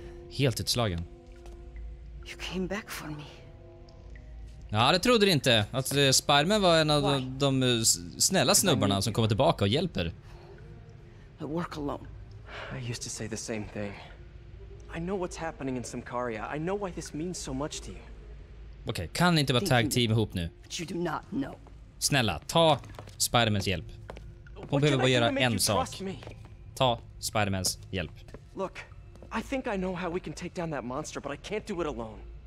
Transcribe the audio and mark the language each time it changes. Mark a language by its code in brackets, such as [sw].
[sv] Helt utslagen. [en] You came back for me. [sv] Ja, det trodde du inte. Att Spider-Man var en av de snälla snubbarna som kommer tillbaka och hjälper. [en] I work alone. I used to say the same thing. I know what's happening in Simkaria. I know why this means so much to you. [sv] Okej, kan ni inte vara tag team ihop nu? [en] You do not know. [sv] Snälla, ta Spider-Mans hjälp. Hon behöver bara göra en sak. Ta Spider-Mans hjälp. [en] Look, I think I know how we can take down that monster, but I can't do it alone.